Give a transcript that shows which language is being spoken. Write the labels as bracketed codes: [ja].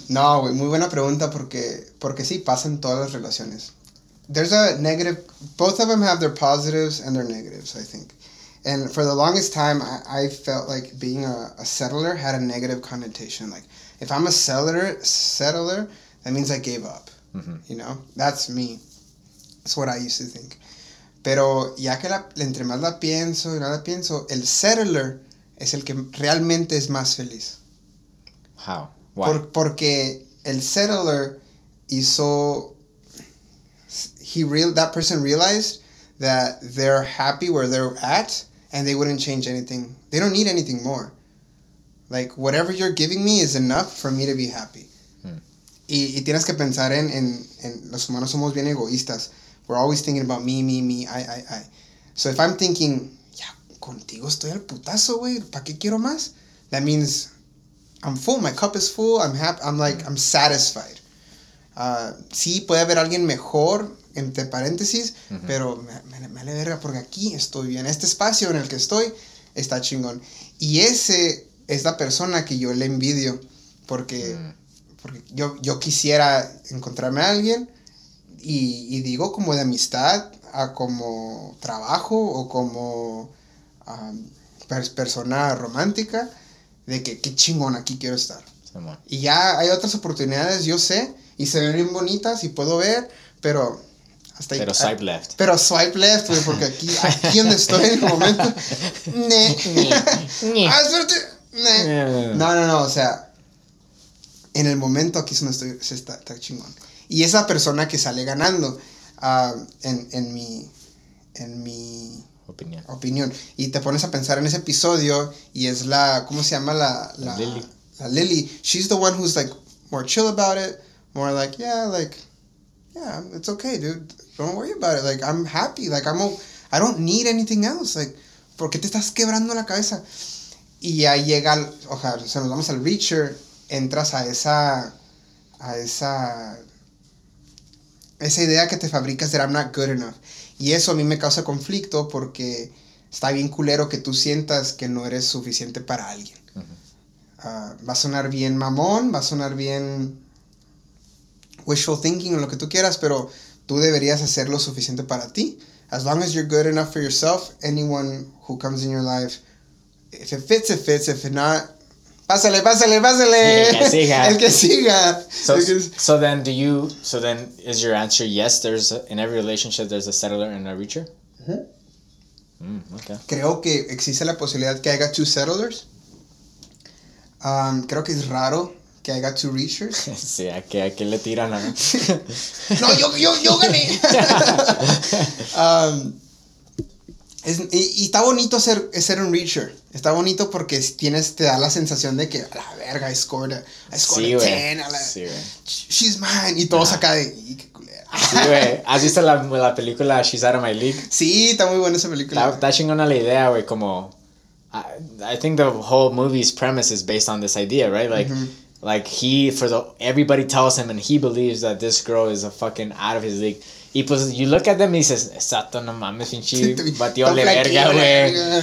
[es] No, güey, muy buena pregunta porque sí, pasan todas las relaciones. [en] There's a negative, both of them have their positives and their negatives, I think. And for the longest time, I felt like being a settler had a negative connotation. Like, if I'm a settler, that means I gave up, mm-hmm. You know? That's me. That's what I used to think. [es] Pero ya que entre más la pienso y nada pienso, el settler es el que realmente es más feliz. [en] How? Why? [es] Porque el settler hizo... [en] that person realized that they're happy where they're at and they wouldn't change anything. They don't need anything more. Like, whatever you're giving me is enough for me to be happy. Hmm. [es] Y tienes que pensar en los humanos somos bien egoístas. [en] We're always thinking about me. So if I'm thinking, [es] ya, contigo estoy al putazo, güey, ¿para qué quiero más? [en] That means I'm full, my cup is full, I'm happy, I'm like, I'm satisfied. [es] Sí, puede haber alguien mejor, entre paréntesis, mm-hmm. pero me vale verga porque aquí estoy bien. Este espacio en el que estoy está chingón. Y ese es la persona que yo le envidio porque yo quisiera encontrarme a alguien. Y digo como de amistad a como trabajo o como persona romántica, de que qué chingón, aquí quiero estar. Simón. Y ya hay otras oportunidades, yo sé, y se ven bien bonitas y puedo ver, pero Hasta ahí. Pero [en] swipe left. [es] Pero [en] swipe left, [es] güey, porque aquí, aquí donde estoy en el momento. Ne. Ah, espérate. Ne. No, no, no, o sea. En el momento aquí es donde estoy. Está chingón. Y esa persona que sale ganando, en mi opinión. Y te pones a pensar en ese episodio y es la, ¿cómo se llama? La Lily. La Lily. [en] She's the one who's like more chill about it. More like, yeah, it's okay, dude. Don't worry about it. Like, I'm happy. Like, I don't need anything else. [es] Like, ¿por qué te estás quebrando la cabeza? Y ya llega, o sea, nos vamos al Reacher. Entras a esa idea que te fabricas de [en] I'm not good enough. [es] Y eso a mí me causa conflicto porque está bien culero que tú sientas que no eres suficiente para alguien. Uh-huh. Va a sonar bien mamón, va a sonar bien wishful thinking o lo que tú quieras, pero tú deberías hacer lo suficiente para ti. [en] As long as you're good enough for yourself, anyone who comes in your life, if it fits, it fits, if not, [es] pásale, pásale, pásale. El que siga. [en] So then is your answer yes? In every relationship, there's a settler and a reacher? Uh-huh. Okay. [es] Creo que existe la posibilidad que haya two settlers. Creo que es raro que haya two reachers. Sí, ¿a qué le tiran? A... No, yo gané. Y está bonito ser un reacher. Está bonito porque te da la sensación de que, a la verga, [en] I scored a 10. [es] Sí, [en] she's mine. [es] Y todos acá de, ¡y qué culera! Sí, güey. ¿Has visto la película She's Out of My League? Sí, está muy buena esa película. Está chingona la idea, güey. [en] Como, I think the whole movie's premise is based on this idea, right? Like, like he, for the, everybody tells him and he believes that this girl is a fucking out of his league. [es] Y pues, [en] you look at them [es] y dices, exacto, no mames, pinche, batió la verga, güey.